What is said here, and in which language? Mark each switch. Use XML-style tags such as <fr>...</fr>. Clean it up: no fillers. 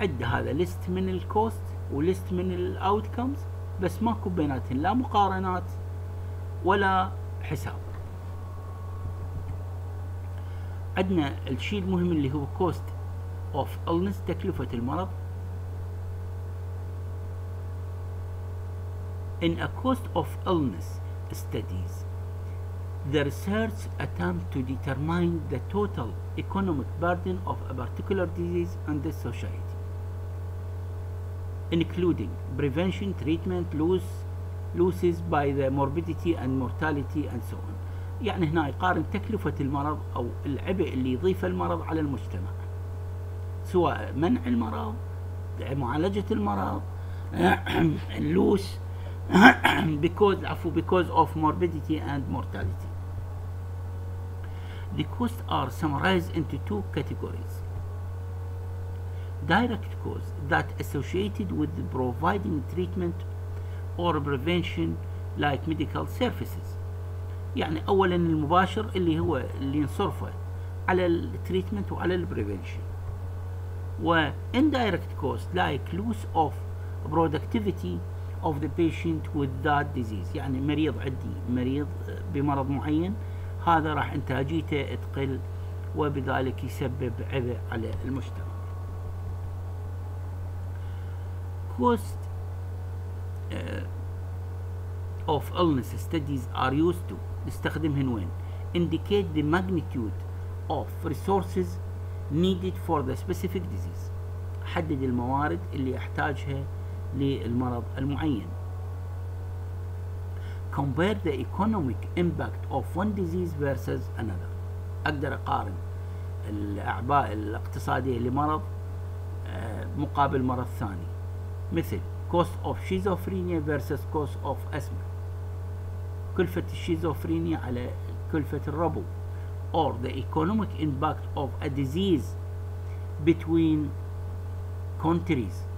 <ar>عد هذا list من ال cost و list من ال outcomes بس ماكو بيناتهم لا مقارنات ولا حساب. عندنا الشيء المهم اللي هو cost of illness تكلفة المرض.</ar> <en>In a cost of illness studies, the research attempt to determine the total economic burden of a particular disease on the society, including prevention, treatment, losses by the morbidity and mortality and so on.</en> <ar>يعني هنا يقارن تكلفة المرض أو العبء اللي يضيف المرض على المجتمع. سواء منع المرض، معالجة المرض، اللوس</ar> <en>because of morbidity and mortality. The costs are summarized into two categories. Direct costs that associated with providing treatment or prevention like medical services.</en> <ar>يعني أولا المباشر اللي هو اللي نصرفه على التريتمنت وعلى البريفنشن.</ar> <en>و indirect cost like loss of productivity of the patient with that disease.</en> <ar>يعني مريض عدي مريض بمرض معين هذا راح انتاجيته تقل وبذلك يسبب عبء على المجتمع.</ar> <en>Cost of illness studies are used to</en> <ar>نستخدمهن وين</ar> <en>indicate the magnitude of resources needed for the specific disease.</en> <ar>حدد الموارد اللي احتاجها للمرض المعين.</ar> <en>Compare the economic impact of one disease versus another.</en> <ar>اقدر اقارن الاعباء الاقتصادية لمرض مقابل مرض ثاني.</ar> <en>مثل cost of schizophrenia versus cost of asthma.</en> <ar>كلفة الشيزوفرينيا على كلفة الربو.</ar> <en>Or the economic impact of a disease between countries.</en>